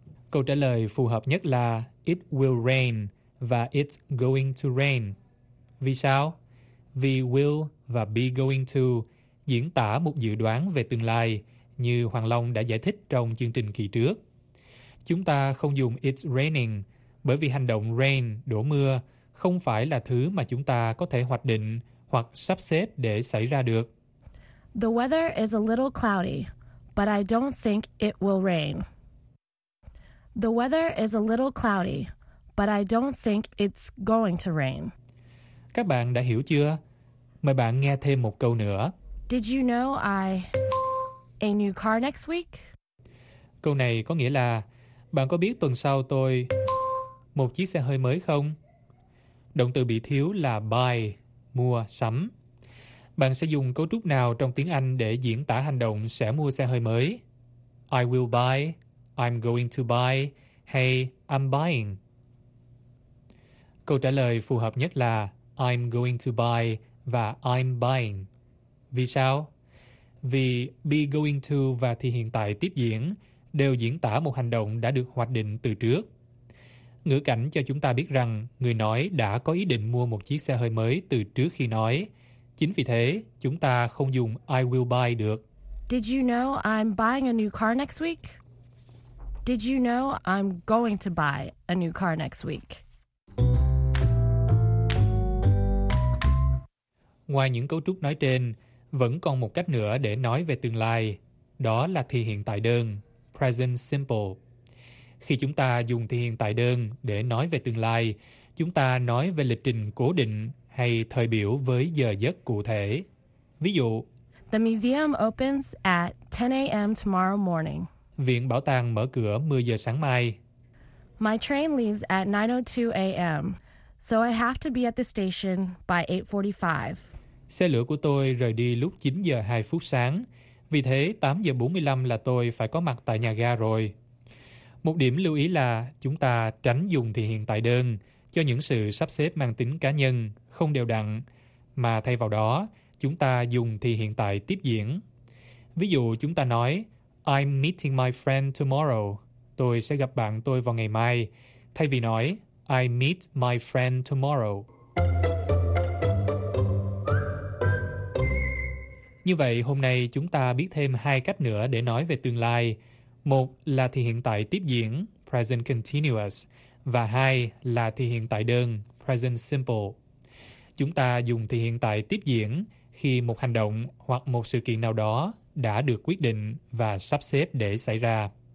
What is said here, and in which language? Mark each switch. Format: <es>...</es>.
<vi>Câu trả lời phù hợp nhất là</vi> <en>it will rain</en> <vi>và</vi> <en>it's going to rain.</en> <vi>Vì sao? Vì will và be going to diễn tả một dự đoán về tương lai, như Hoàng Long đã giải thích trong chương trình kỳ trước. Chúng ta không dùng</vi> <en>it's raining</en> <vi>bởi vì hành động rain, đổ mưa, không phải là thứ mà chúng ta có thể hoạch định hoặc sắp xếp để xảy ra được.</vi> <en>The weather is a little cloudy, but I don't think it will rain. The weather is a little cloudy, but I don't think it's going to rain.</en> <vi>Các bạn đã hiểu chưa? Mời bạn nghe thêm một câu nữa.</vi> <en>Did you know I a new car next week?</en> <vi>Câu này có nghĩa là bạn có biết tuần sau tôi một chiếc xe hơi mới không? Động từ bị thiếu là buy, mua, sắm. Bạn sẽ dùng cấu trúc nào trong tiếng Anh để diễn tả hành động sẽ mua xe hơi mới?</vi> <en>I will buy, I'm going to buy,</en> <vi>hay</vi> <en>I'm buying?</en> <vi>Câu trả lời phù hợp nhất là</vi> <en>I'm going to buy</en> <vi>và</vi> <en>I'm buying.</en> <vi>Vì sao? Vì be going to và thì hiện tại tiếp diễn đều diễn tả một hành động đã được hoạch định từ trước. Ngữ cảnh cho chúng ta biết rằng người nói đã có ý định mua một chiếc xe hơi mới từ trước khi nói. Chính vì thế, chúng ta không dùng</vi> <en>I will buy</en> <vi>được.</vi> <en>Did you know I'm buying a new car next week? Did you know I'm going to buy a new car next week?</en> <vi>Ngoài những cấu trúc nói trên, vẫn còn một cách nữa để nói về tương lai. Đó là thì hiện tại đơn, present simple. Khi chúng ta dùng thì hiện tại đơn để nói về tương lai, chúng ta nói về lịch trình cố định hay thời biểu với giờ giấc cụ thể. Ví dụ,</vi> <en>The museum opens at 10 a.m. tomorrow morning.</en> <vi>Viện bảo tàng mở cửa 10 giờ sáng mai.</vi> <en>My train leaves at 9:02 a.m., so I have to be at the station by 8:45.</en> <vi>Xe lửa của tôi rời đi lúc 9 giờ 2 phút sáng, vì thế 8 giờ 45 là tôi phải có mặt tại nhà ga rồi. Một điểm lưu ý là chúng ta tránh dùng thì hiện tại đơn cho những sự sắp xếp mang tính cá nhân, không đều đặn, mà thay vào đó chúng ta dùng thì hiện tại tiếp diễn. Ví dụ chúng ta nói,</vi> <en>I'm meeting my friend tomorrow.</en> <vi>Tôi sẽ gặp bạn tôi vào ngày mai. Thay vì nói,</vi> <en>I meet my friend tomorrow.</en> <vi>Như vậy, hôm nay chúng ta biết thêm hai cách nữa để nói về tương lai. Một là thì hiện tại tiếp diễn, present continuous, và hai là thì hiện tại đơn, present simple. Chúng ta dùng thì hiện tại tiếp diễn khi một hành động hoặc một sự kiện nào đó đã được quyết định và sắp xếp để xảy ra.</vi>